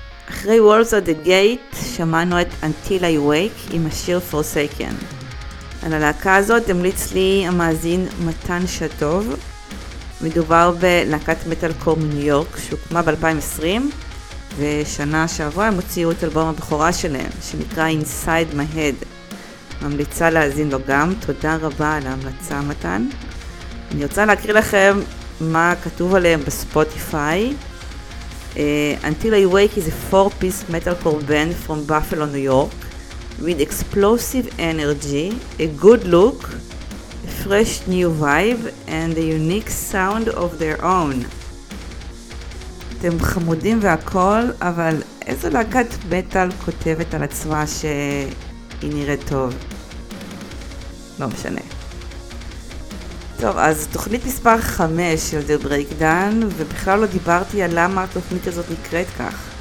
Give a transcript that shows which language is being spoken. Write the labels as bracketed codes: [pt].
[he] אחרי Walls of the Gate שמענו את Until I Wake עם השיר Forsaken. על הלהקה הזאת המליץ לי המאזין מתן שטוב. מדובר בלהקת מטל קור מניו יורק שהוקמה ב-2020, ושנה שעברה הם הוציאו את אלבום הבכורה שלהם שנקרא Inside My Head. ממליצה להאזין לו גם. תודה רבה על ההמלצה מתן. אני רוצה להקריא לכם מה כתוב עליהם בספוטיפיי. [en] Until I Wake is a four-piece metalcore band from Buffalo, New York, with explosive energy, a good look, a fresh new vibe, and a unique sound of their own. [he] אתם חמודים והכל, אבל איזו להקת מטל כותבת על עצמה שהיא נראית טוב? לא משנה. טוב, אז תוכנית מספר 5 של The Breakdown, ובכלל לא דיברתי על למה התוכנית הזאת נקראת כך.